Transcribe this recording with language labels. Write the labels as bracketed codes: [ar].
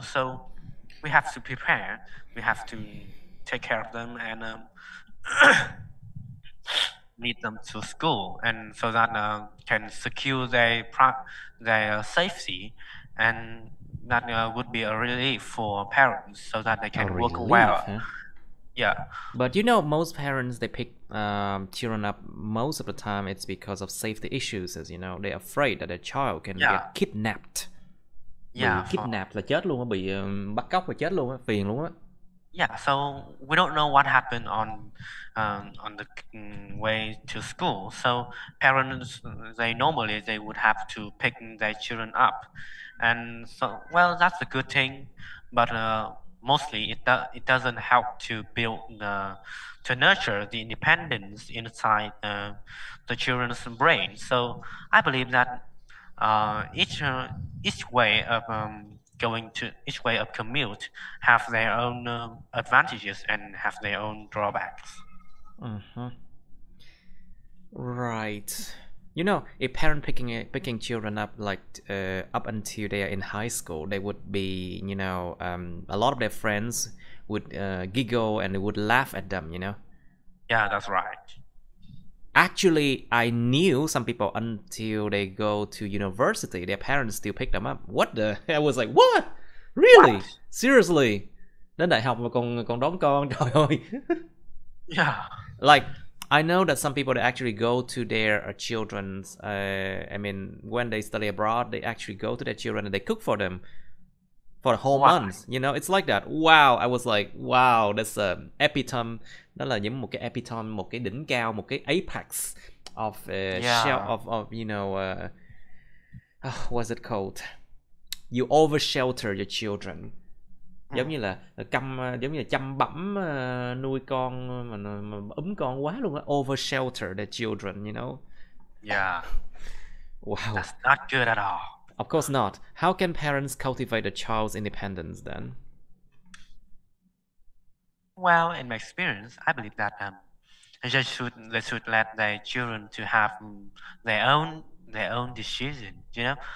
[en] So we have to prepare, we have to take care of them, and lead them to school, and so that can secure their safety. And that would be a relief for parents so that they A can work relief, well. huh? Yeah. But you know, most parents, they pick children up most of the time it's because of safety issues, as you know, they're afraid that their child can get Yeah. kidnapped. Yeah, [vi] Bị [en] for. [vi] kidnapped là chết luôn á, bị bắt cóc là chết luôn á, phiền luôn á. [en] Yeah, so we don't know what happened on the way to school. So parents, they normally they would have to pick their children up, and so well, that's a good thing, but mostly it doesn't help to build to nurture the independence inside the children's brain. So I believe that each way of going to each way of commute have their own advantages and have their own drawbacks. Right. You know, a parent picking children up up until they are in high school, they would be, you know, a lot of their friends would giggle and they would laugh at them, you know. That's right. Actually, I knew some people until they go to university, their parents still pick them up. What the? I was like, what? Really? Seriously? [vi] Đến đại học mà còn đón con, trời ơi. [en] Like, I know that some people they actually go to their children's. I mean, when they study abroad, they actually go to their children and they cook for them for a whole month. You know, it's like that. Wow, I was like, wow, that's an epitome. [vi] Đó là những một cái epitome, một cái đỉnh cao, một cái [en] apex of shell of you know, what's it called? You overshelter your children. [vi] Giống như là căm giống như là chăm bẵm nuôi con mà ấm con quá luôn á, [en] over shelter the children, you know. Wow. That's not good at all. Of course not. How can parents cultivate a child's independence then? Well, in my experience, I believe that they should let their children to have their own decision, you know?